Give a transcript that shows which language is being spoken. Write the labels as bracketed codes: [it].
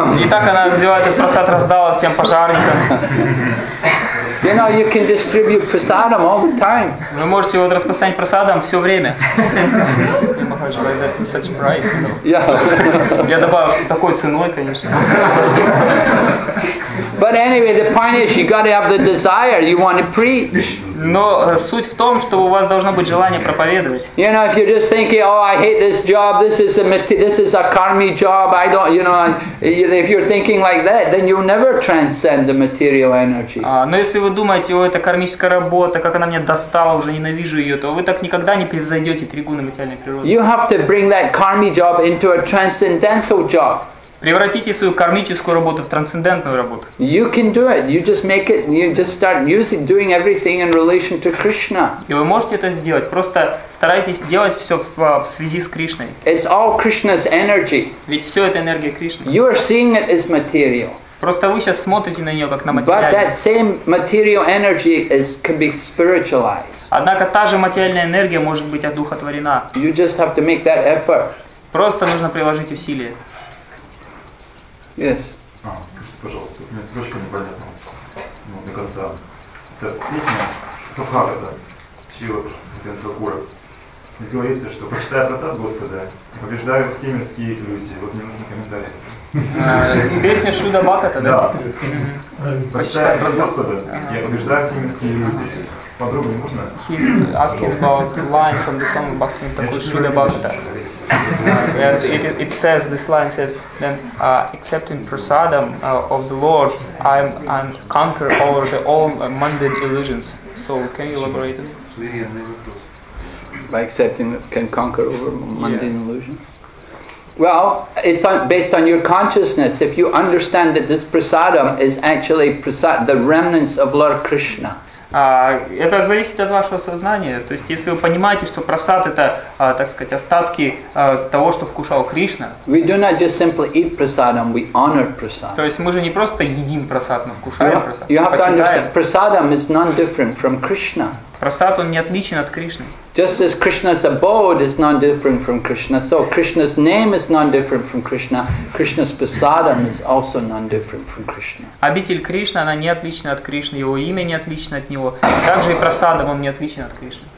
[ru] И так она взяла этот просад, раздала всем пожарникам. [en] You know, you can distribute prosad all the time. [ru] Вы можете его распространять просадом все время. [en] Such price. [ru] Yeah. Я добавил, что такой ценой, конечно. [en] But anyway, the point is, you got to have the desire. You want to preach. [ru] Но суть в том, что у вас должно быть желание проповедовать. [en] You know, if you're just thinking, oh, I hate this job, this is a karmic job, I don't, you know, if you're thinking like that, then you'll never transcend the material energy. [ru] Но если вы думаете, о, это кармическая работа, как она меня достала, уже ненавижу ее, то вы так никогда не превзойдете тригуны материальной природы. [en] You have to bring that karmic job into a transcendental job. [ru] Превратите свою кармическую работу в трансцендентную работу. [en] You can do it. You just make it. You just start using, doing everything in relation to Krishna. [ru] И вы можете это сделать. Просто старайтесь делать все в связи с Кришной. [en] It's all Krishna's energy. [ru] Ведь все это энергия Кришны. [en] You are seeing it as material. [ru] Просто вы сейчас смотрите на нее как на материальную. [en] But that same material energy can be spiritualized. [ru] Однако та же материальная энергия может быть одухотворена. [en] You just have to make that effort. [ru] Просто нужно приложить усилия. [en] Yes. [ru] Пожалуйста, у меня немножко непонятно. Ну, до конца. Это песня Шутхара, да, Шива Бхактакура. Здесь говорится, что прочитая просад Господа, побеждаю все мирские иллюзии. Вот мне нужны комментарии. Песня Шуда Бхактакура, да? Да. Прочитая просад Господа, я побеждаю все мирские иллюзии. Подробнее можно? [en] He's asking about line from the song Бхактакура, Шуда Бхактакура. It says, this line says, then accepting prasadam of the Lord, I'm conquer over the all mundane illusions. So can you elaborate it? By accepting, can conquer over mundane illusions? Well, it's based on your consciousness. If you understand that this prasadam is actually prasad, the remnants of Lord Krishna. [ru] Это зависит от вашего сознания. То есть, если вы понимаете, что просад это, так сказать, остатки того, что вкушал Кришна. [en] We do not just simply eat prasadam, we honor prasad. [ru] То есть, мы же не просто едим просад, мы вкушаем просад. [en] You have to understand, prasadam is non-different from Krishna. [ru] Просад он не отличен от Кришны. [en] Just as Krishna's abode is non-different from Krishna, so Krishna's name is non-different from Krishna. Krishna's prasadam is also non-different from Krishna. [ru] Обитель Кришны, она не отлична от Кришны, его имя не отлично от него. Также и прасадам он не отличен от Кришны.